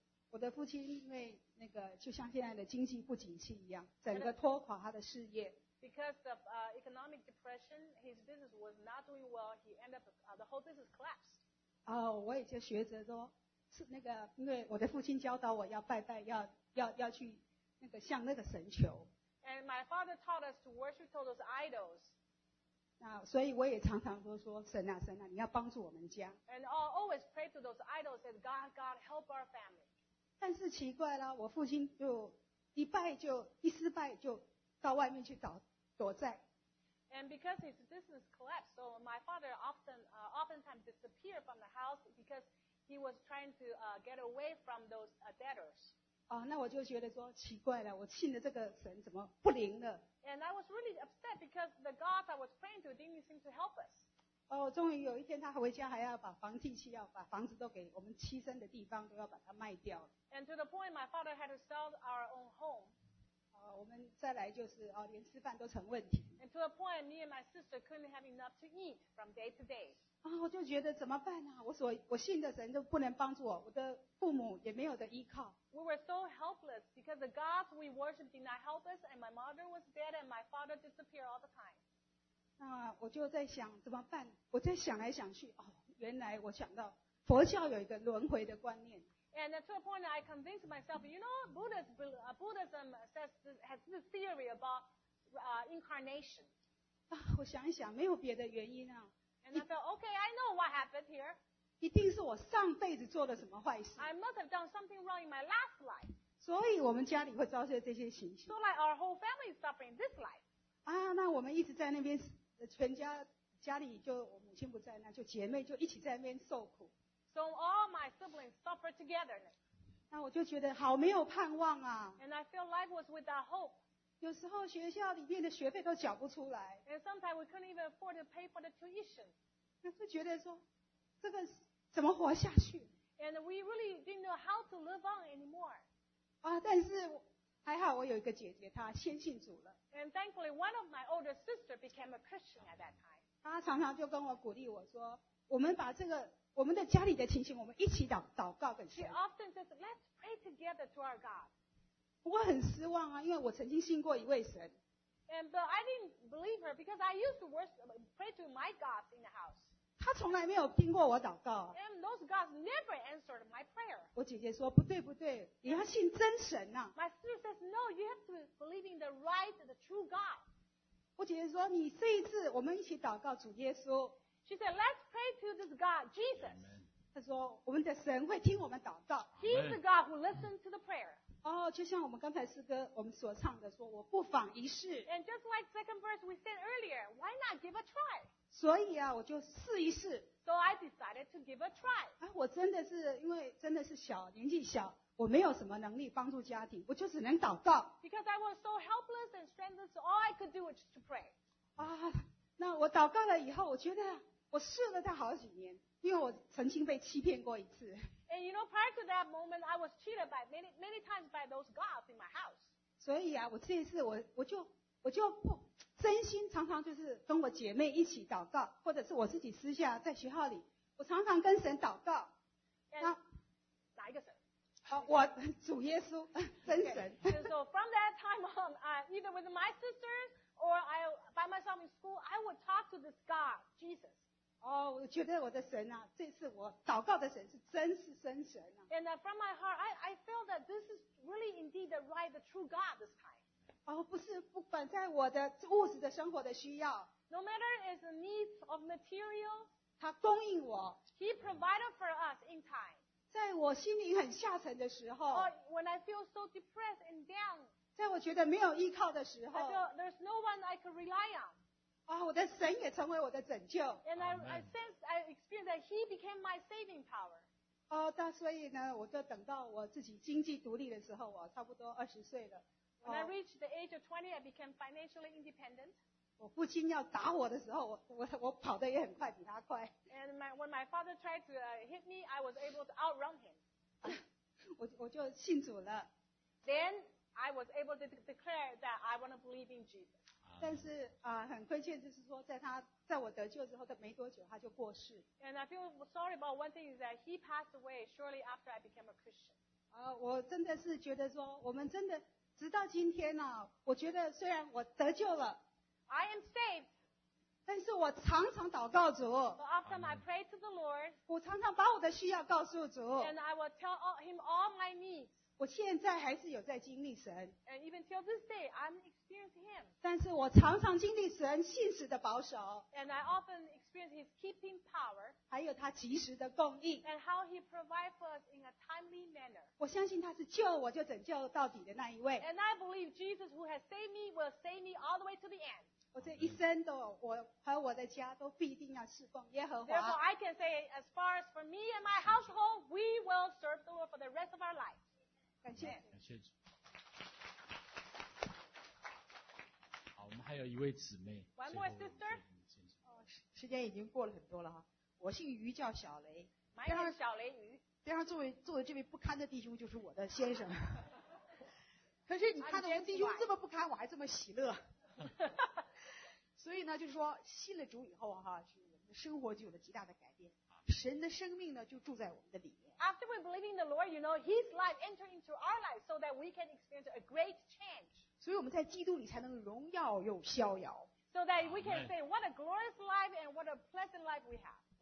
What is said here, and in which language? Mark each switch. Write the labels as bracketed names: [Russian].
[Chinese] 我的父亲因为那个就像现在的经济不景气一样，整个拖垮他的事业。 [English] Because of economic depression, his business was not doing well, he ended up, the whole business collapsed. [Chinese] 我也就学着说，是那个因为我的父亲教导我要拜拜，要去那个向那个神求。 [English] And my father taught us to worship to those idols. [Chinese] 所以我也常常都说，神啊神啊，你要帮助我们家。 [English] And I always pray to those idols and God, God help our family. [Chinese] 但是奇怪了，我父亲就一拜就一失败就到外面去找躲债。 [English] And because his business collapsed, so my father oftentimes disappeared from the house because he was trying to get away from those debtors. [Chinese] 那我就觉得说奇怪了，我信的这个神怎么不灵了 [English] ？And I was really upset because the gods I was praying to didn't seem to help us. [Chinese] 终于有一天他回家还要把房地契要把房子都给我们栖身的地方都要把它卖掉了。 [English] And to the point my father had to sell our own home. [Chinese] 我们再来就是连吃饭都成问题。 [English] And to the point me and my sister couldn't have enough to eat from day to day. [Chinese] 我就觉得怎么办啊？我信的神都不能帮助我，我的父母也没有的依靠。 [English] We were so helpless because the gods we worshiped did not help us, and my mother was dead, and my father disappeared all the time. [Chinese] 我就在想怎么办？我在想来想去，原来我想到佛教有一个轮回的观念。 [English] And to a point, I convinced myself, you know, Buddhism has this theory about incarnation. [Chinese] 我想一想，没有别的原因啊。 [English] And I thought, okay, I know what happened here. [Chinese] 一定是我上辈子做了什么坏事。 [English] I must have done something wrong in my last life. [Chinese] 所以我们家里会遭受这些情形。 [English] So like our whole family is suffering this life. [Chinese] 那我们一直在那边，全家家里就我母亲不在那，就姐妹就一起在那边受苦。 [English] So all my siblings suffer together. [Chinese] 那我就觉得好没有盼望啊。 [English] And I feel life was without hope. [Chinese] 有时候学校里面的学费都缴不出来。 [English] And sometimes we couldn't even afford to pay for the tuition. [Chinese] 那就觉得说。这个怎么活下去 [English] ？And we really didn't know how to live on anymore. [Chinese] 但是还好我有一个姐姐，她先信主了。 [English] And thankfully, one of my older sisters became a Christian at that time. [Chinese] 她常常就跟我鼓励我说，我们把这个我们的家里的情形，我们一起祷告跟神。 [English] She often says, "Let's pray together to our God." [Chinese] 我很失望啊，因为我曾经信过一位神。 [English] And but I didn't believe her because I used to worship, pray to my gods in the house. [Chinese] 他从来没有听过我祷告。 [English] And those gods never answered my prayer. [Chinese] 我姐姐说不对不对，你要信真神啊。 [English] My sister says no, you have to believe in the right, the true God. [Chinese] 我姐姐说你这一次我们一起祷告主耶稣。 [English] She said let's pray to this God, Jesus. [Chinese] 她说我们的神会听我们祷告。 [English] He's the God who listens to the prayer. [Chinese] 哦，就像我们刚才诗歌我们所唱的说，我不妨一试。 [English] And just like second verse we said earlier, why not give a try? [Chinese] 所以啊，我就试一试。 [English] So I decided to give a try. [Chinese] 啊，我真的是因为真的是小，年纪小，我没有什么能力帮助家庭，我就只能祷告。 [English] Because I was so helpless and strengthless, all I could do was to pray. [Chinese] 啊，那我祷告了以后，我觉得我试了他好几年，因为我曾经被欺骗过一次。 [English] And you know, prior to that moment, I was cheated by many times by those gods in my house. [Chinese] 所以啊，我这一次我就不真心常常就是跟我姐妹一起祷告，或者是我自己私下在学校里，我常常跟神祷告。那哪一个神？我主耶稣，真神。 [English] Okay. So from that time on, either with my sisters or I by myself in school, I would talk to this God, Jesus. [Chinese] 哦，我觉得我的神啊，这次我祷告的神是真是真神啊。 [English] And from my heart, I feel that this is really indeed the right, the true God this time. [Chinese] 哦，不是，不管在我的物质的生活的需要。 [English] No matter is the needs of material. [Chinese] 他供应我。 [English] He provided for us in time. [Chinese] 在我心灵很下沉的时候。 [English] Or when I feel so depressed and down. [Chinese] 在我觉得没有依靠的时候。 [English] I feel there's no one I could rely on. [Chinese] 哦、我的神也成为我的拯救。 [English] And I sense, I experienced that he became my saving power. [Chinese] 哦，那所以呢，我就等到我自己经济独立的时候，我差不多二十岁了。 [English] When I reached the age of 20, I became financially independent. [Chinese] 我父亲要打我的时候，我跑得也很快，比他快。 [English] And when my father tried to hit me, I was able to outrun him. [Chinese] 我就信主了。 [English] Then I was able to declare that I want to believe in Jesus. [Chinese] 但是很亏欠，就是说，在我得救之后的没多久，他就过世。 [English] And I feel sorry about one thing is that he passed away shortly after I became a Christian. [Chinese] 我真的是觉得说，我们真的直到今天呢、啊，我觉得虽然我得救了 [English] ，I am saved， [Chinese] 但是我常常祷告主。 [English] So often I pray to the Lord. [Chinese] 我常常把我的需要告诉主。 [English] And I will tell him all my needs. [Chinese] 我现在还是有在经历神。 [English] And even till this day, I'm experiencing him. [Chinese] 但是我常常经历神信实的保守。 [English] And I often experience his keeping power. [Chinese] 还有他及时的供应。 [English] And how he provides for us in a timely manner. [Chinese] 我相信他是救我就拯救到底的那一位。 [English] And I believe Jesus who has saved me will save me all the way to the end. [Chinese] 我这一生都我和我的家都必定要侍奉耶和华。 [English] Therefore, I can say as far as for me and my household, we will serve the Lord for the rest of our life. [Chinese] 感谢主。好，我们还有一位姊妹。 [English] One more sister。 [Chinese] 时间已经过了很多了哈。我姓于，叫小雷。 [English] My name is 小雷于。 [Chinese] 边上作为这位不堪的弟兄，就是我的先生。可是你看到我们弟兄这么不堪，我还这么喜乐。所以呢，就是说信了主以后哈，是我们的生活就有了极大的改变。神的生命呢，就住在我们的里面。 [English] After we believe in the Lord, you know, His life entered into our life so that we can experience a great change. [Chinese] 所以我们在基督里才能荣耀又逍遥。 [English] So that we can say what a glorious life and what a pleasant life we have.